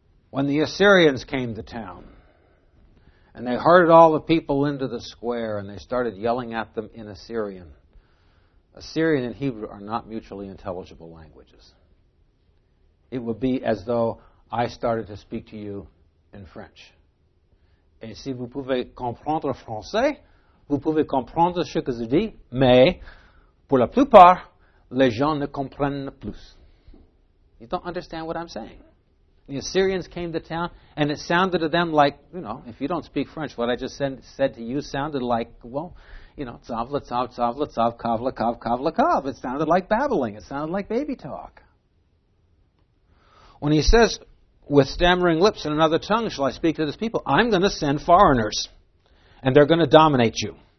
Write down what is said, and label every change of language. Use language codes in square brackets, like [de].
[en] When the Assyrians came to town, and they herded all the people into the square, and they started yelling at them in Assyrian. Assyrian and Hebrew are not mutually intelligible languages. It would be as though I started to speak to you in French. [fr] Et si vous pouvez comprendre français, vous pouvez comprendre ce que je dis, mais pour la plupart, les gens ne comprennent plus. [en] You don't understand what I'm saying. The Assyrians came to town, and it sounded to them like, you know, if you don't speak French, what I just said to you sounded like, well, you know, tzav letzav, tzav letzav, kav lekav, kav lekav. It sounded like babbling. It sounded like baby talk. When he says, with stammering lips and another tongue shall I speak to this people, I'm going to send foreigners, and they're going to dominate you.